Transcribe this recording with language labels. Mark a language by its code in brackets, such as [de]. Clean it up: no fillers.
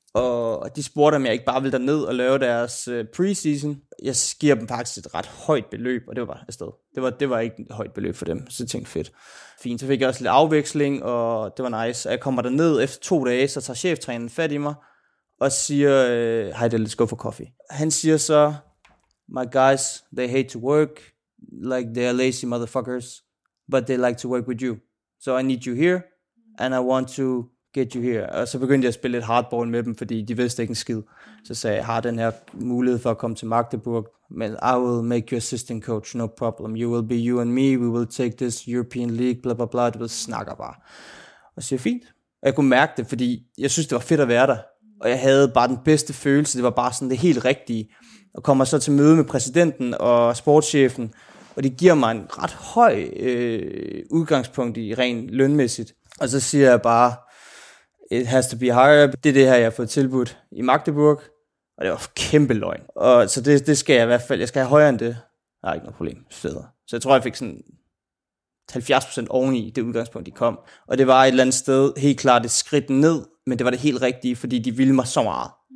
[da] Og de spurgte, om jeg ikke bare ville derned og lave deres preseason. Jeg giver dem faktisk et ret højt beløb, og det var afsted. Det var ikke et højt beløb for dem, så jeg tænkte fedt. Fint, så fik jeg også lidt afveksling, og det var nice. Og jeg kommer derned efter 2 dage, så tager cheftræneren fat i mig og siger, [en] hey, let's go for coffee. [da] Han siger så, [en] my guys, they hate to work, like they are lazy motherfuckers, but they like to work with you. So I need you here, and I want to get you here. [da] Og så begyndte jeg at spille lidt hardball med dem, fordi de vidste ikke en skid. Så sagde jeg, har den her mulighed for at komme til Magdeburg, men [en] I will make you assistant coach, no problem. You will be you and me, we will take this European League, bla bla bla, [da] du ved, snakker bare. Og siger, fint. Og jeg kunne mærke det, fordi jeg synes, det var fedt at være der. Og jeg havde bare den bedste følelse, det var bare sådan det helt rigtige. Og kommer så til møde med præsidenten og sportschefen, og de giver mig en ret høj udgangspunkt i rent lønmæssigt. Og så siger jeg bare, [en] it has to be higher. [da] Det er det her, jeg har fået tilbudt i Magdeburg. Og det var kæmpe løgn. Og så det skal jeg i hvert fald, jeg skal have højere end det. Nej, ikke noget problem. Fedt. Så jeg tror, jeg fik sådan 70% oveni det udgangspunkt, de kom. Og det var et eller andet sted, helt klart et skridt ned, men det var det helt rigtige, fordi de ville mig så meget.